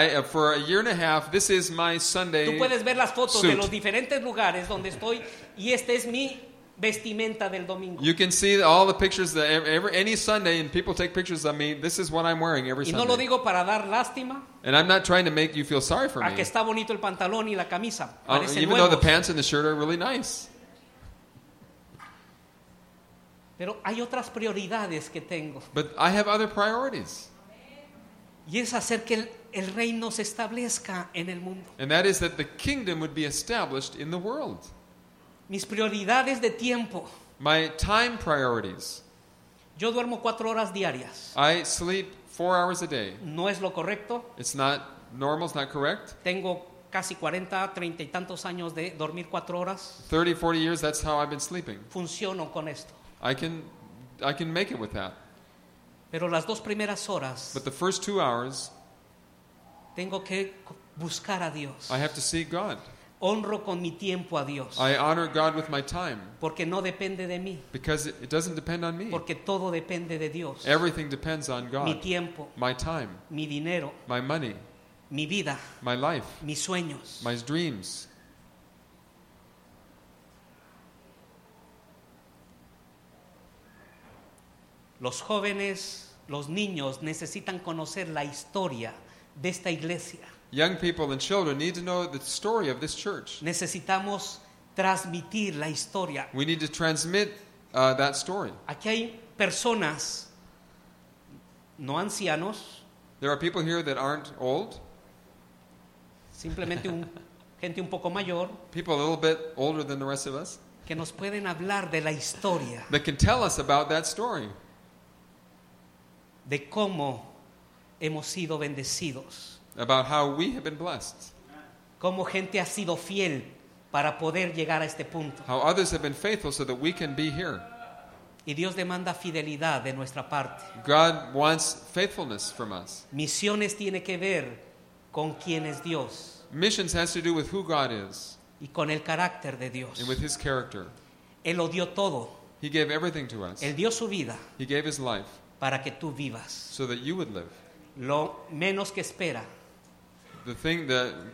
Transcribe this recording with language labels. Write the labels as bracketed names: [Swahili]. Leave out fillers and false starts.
[English] For a year and a half, this is my Sunday suit. [Spanish] Tú puedes ver las fotos de los diferentes lugares donde estoy, y esta es mi vestimenta del domingo. [English] You can see all the pictures that any Sunday, and people take pictures of me. This is what I'm wearing every Sunday. [Spanish] Y no lo digo para dar lástima. [English] And I'm not trying to make you feel sorry for me. [Spanish] A que está bonito el pantalón y la camisa. [English] Even though the pants and the shirt are really nice. [Spanish] Pero hay otras prioridades que tengo. [English] But I have other priorities. [Spanish] Y es hacer que el reino se establezca en el mundo. [English] And that is that the kingdom would be established in the world. [Spanish] Mis prioridades de tiempo. [English] My time priorities. [Spanish] Yo duermo 4 horas diarias. [English] I sleep 4 hours a day. [Spanish] No es lo correcto. [English] It's not normal, it's not correct. [Spanish] Tengo casi 40, 30 y tantos años de dormir 4 horas. [English] 30, 40 years, that's how I've been sleeping. [Spanish] Funciono con esto. [English] I can make it with that. [Spanish] Pero las dos primeras horas, [English] but the first 2 hours, [Spanish] tengo que buscar a Dios. [English] I have to seek God. [Spanish] Honro con mi tiempo a Dios. [English] I honor God with my time. [Spanish] Porque no depende de mí. [English] Because it doesn't depend on me. [Spanish] Porque todo depende de Dios. [English] Everything depends on God. [Spanish] Mi tiempo. [English] My time. [Spanish] Mi dinero. [English] My money. [Spanish] Mi vida. [English] My life. [Spanish] Mis sueños. [English] My dreams. [Spanish] Los jóvenes, los niños necesitan conocer la historia de esta iglesia. [English] Young people and children need to know the story of this church. [Spanish] Necesitamos transmitir la historia. [English] We need to transmit that story. [Spanish] Aquí hay personas no ancianos. [English] There are people here that aren't old. [Spanish] Simplemente gente un poco mayor. [English] People a little bit older than the rest of us. [Spanish] Que nos pueden hablar de la historia. [English] That can tell us about that story. [Spanish] De cómo hemos sido bendecidos. [English] About how we have been blessed. [Spanish] Cómo gente ha sido fiel para poder llegar a este punto. [English] How others have been faithful so that we can be here. [Spanish] Y Dios demanda fidelidad de nuestra parte. [English] God wants faithfulness from us. [Spanish] Misiones tiene que ver con quién es Dios. [English] Missions has to do with who God is. [Spanish] Y con el carácter de Dios. [English] And with his character. [Spanish] Él lo dio todo. [English] He gave everything to us. [Spanish] Él dio su vida. [English] He gave his life. [Spanish] Para que tú vivas. [English] So that you would live. [Spanish] Lo menos que espera. [English] The thing that